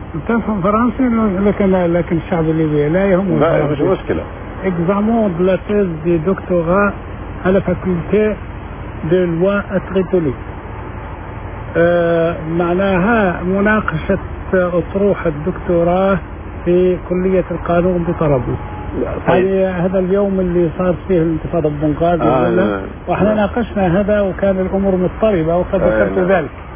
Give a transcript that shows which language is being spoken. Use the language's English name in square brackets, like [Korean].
[Arabic] تفهم فرنسي لكن الشعب الليبي لا يهم. لا مش مشكلة. [French] examen de la thèse de doctorat à la faculté de loi à Tripoli. [Arabic] معناها مناقشة أطروحة الدكتوراه في كلية القانون بطرابلس. طيب. يعني هذا اليوم اللي صار فيه الانتفاضة بنغازي واحنا ناقشنا هذا وكان الامور مضطربة وقد ذكرت ذلك.